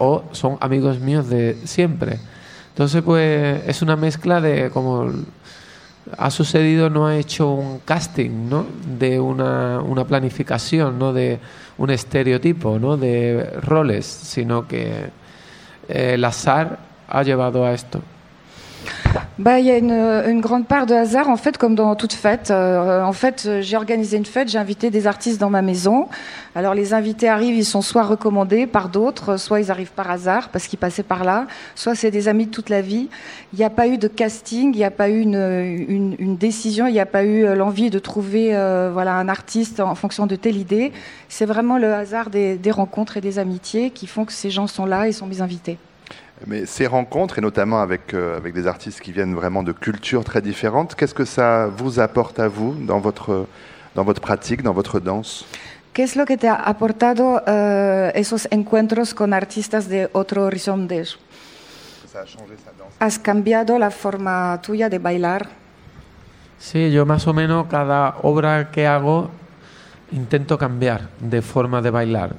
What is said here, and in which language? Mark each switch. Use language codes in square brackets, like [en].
[es] O son amigos míos de siempre. Entonces, pues, es una mezcla de como ha sucedido, no ha hecho un casting, ¿no? De una planificación, ¿no? De un estereotipo, ¿no? De roles, sino que el azar ha llevado a esto. Bah, y hay una gran parte de [fr] hasard, en fait, [es] como en toda fête. [fr] En fait, j'ai organisé une fête, j'ai invité des artistes dans ma maison. Alors, les invités arrivent, ils sont soit recommandés par d'autres, soit ils arrivent par hasard, parce qu'ils passaient par là, soit c'est des amis de toute la vie. Il n'y a pas eu de casting, il n'y a pas eu une décision, il n'y a pas eu l'envie de trouver voilà, un artiste en fonction de telle idée. C'est vraiment le hasard des rencontres et des amitiés qui font que ces gens sont là et sont mes invités. Mais ces rencontres, et notamment avec des artistes qui viennent vraiment de cultures très différentes, qu'est-ce que ça vous apporte à vous dans votre pratique, dans votre danse? [es] ¿Qué es lo que te ha aportado esos encuentros con artistas de otro horizonte? [fr] Ça a changé sa danse. [es] ¿Has cambiado la forma tuya de bailar? Sí, yo más o menos cada obra que hago intento cambiar de forma de bailar.